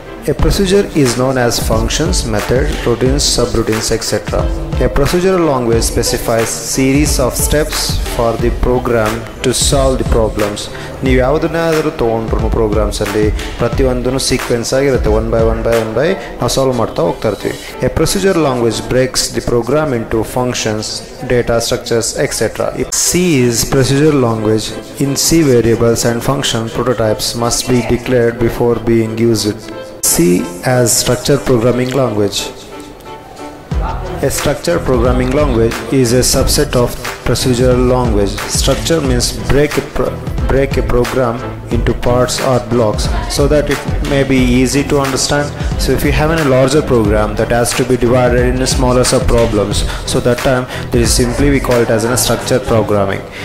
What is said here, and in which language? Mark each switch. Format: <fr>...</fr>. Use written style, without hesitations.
<en>A procedure is known as functions, methods, routines, subroutines, etc. A procedural language specifies series of steps for the program to solve the problems.</en> <kn>ನೀವು ಯಾವುದನ್ನಾದರೂ ತೊಗೊಂಡ್ರು ಪ್ರೋಗ್ರಾಮ್ಸಲ್ಲಿ ಪ್ರತಿಯೊಂದೂ sequence ಆಗಿರುತ್ತೆ,</kn> <en>one by one by one by</en> <kn>ನಾವು solve ಮಾಡ್ತಾ ಹೋಗ್ತಾ ಇರ್ತೀವಿ.</kn> <en>A procedure language breaks the program into functions, data structures, etcetera. C is procedure language. In C variables and function prototypes must be declared before being used. C as structure programming language. A structured programming language is a subset of procedural language. Structure means break a program into parts or blocks so that it may be easy to understand. So if you have a larger program that has to be divided into smaller sub problems, so that time there is simply we call it as a structured programming.</en>